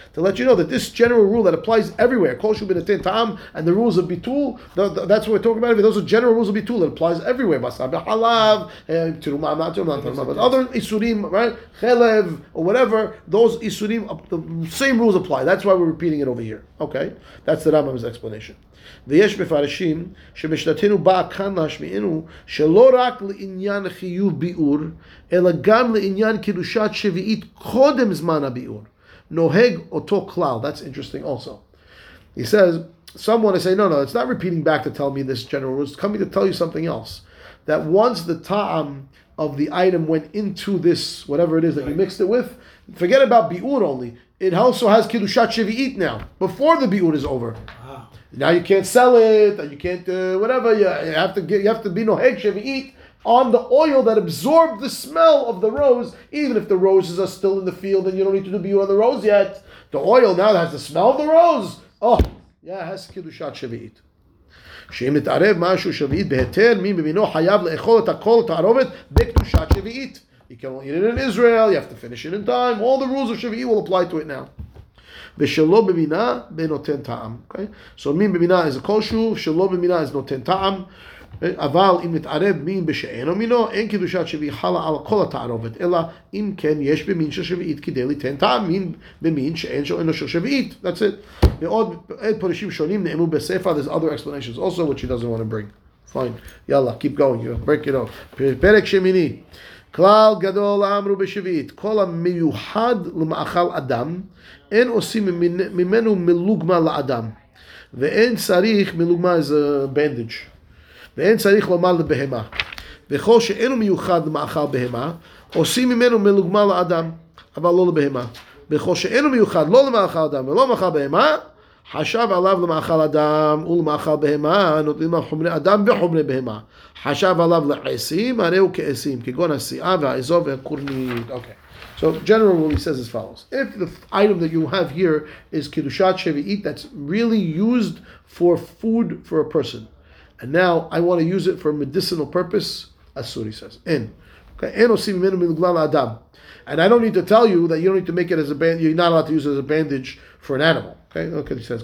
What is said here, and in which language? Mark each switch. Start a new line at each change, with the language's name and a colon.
English: To let you know that this general rule that applies everywhere, kol shu b'netein ta'am, and the rules of bitul, that's what we're talking about. Those are general rules of bitul that applies everywhere. Basar b'halav, other isurim, right? Chelev, or whatever, those isurim, the same rules apply. That's why we're repeating it over here. Okay? That's the Rambam's explanation.
Hebrew: V'yesh mefarashim, shemishnatenu ba'a kan lashmi'inu, shelo rak li'inyan chiyuv bi'ur, אלא גם לעניין קידושת שביעית קודם זמן הביעור, נוהג אותו כלל.
English: That's interesting also. He says, someone will say, no, it's not repeating back to tell me this general rule. It's coming to tell you something else. That once the ta'am of the item went into this, whatever it is that you mixed it with, forget about biur only. It also has kidushat shevi'it now, before the biur is over. Wow. Now you can't sell it, and you can't whatever. You have to be noheg shevi'it on the oil that absorbed the smell of the rose, even if the roses are still in the field and you don't need to do biur on the rose yet. The oil now that has the smell of the rose. Oh, yeah, it has kidushat shevi'it.
Hebrew: שאם יתערב משהו שביעית בהתר, מי במינו חייב לאכול את הכל תערובת בקדושת שביעית.
English: You can only eat it in Israel, you have to finish it in time. All the rules of שביעית will apply to it now.
Hebrew: ושלא במינה בנותן טעם.
English: Okay? So
Hebrew: מי במינה is a כלשהו, שלא במינה is נותן טעם. אבל אם מתערב מין בשאין או מינו, אין קידושת שביעית חלה על כל התערובת, אלא אם כן יש במין של שביעית כדי לתן טעם מין במין שאין שאין של שביעית.
English: That's it.
Hebrew: ועוד פרשים שונים נאמו בספר,
English: there's other explanations also which he doesn't want to bring. Fine. יאללה, keep going. You break it off.
Hebrew: פרק שמיני. כלל גדול אמרו בשביעית, כל המיוחד למאכל אדם, אין עושים ממנו מלוגמה לאדם. ואין צריך, מלוגמה
English: is a bandage.
Hebrew: ואין צריך לומר לבהמה. וכל שאינו מיוחד למאכל בהמה, עושים ממנו מלוגמה לאדם, אבל לא לבהמה. וכל שאינו מיוחד לא למאכל אדם ולא למאכל בהמה, חשב עליו למאכל אדם ולמאכל בהמה, נותנים חומרי אדם וחומרי בהמה. חשב עליו לעשים, הרי הוא כעשים, כגון השיאה והאזור והקורנית.
English: Okay. So generally what he says as follows. If the item that you have here is kidushat shevi'it, that's really used for food for a person. And now I want to use it for a medicinal purpose, Asuri says. And I don't need to tell you that you don't need to make it as a bandage, you're not allowed to use it as a bandage for an animal. Okay, look what he says.